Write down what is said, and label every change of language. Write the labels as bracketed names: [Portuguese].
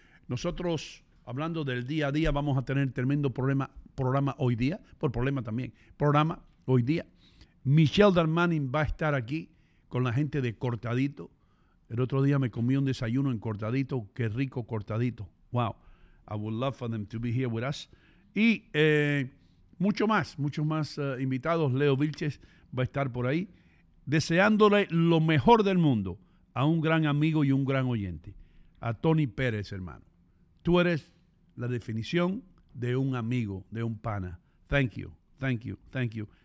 [Spanish] Nosotros, hablando del día a día, vamos a tener tremendo programa hoy día, por problema también, programa hoy día. Michelle Darmanin va a estar aquí con la gente de Cortadito. El otro día me comí un desayuno en Cortadito, qué rico Cortadito. [English] Wow, I would love for them to be here with us. [Spanish] Y muchos más invitados. Leo Vilches va a estar por ahí, deseándole lo mejor del mundo a un gran amigo y un gran oyente, a Tony Pérez, hermano. Tú eres la definición de un amigo, de un pana. [English] Thank you, thank you, thank you.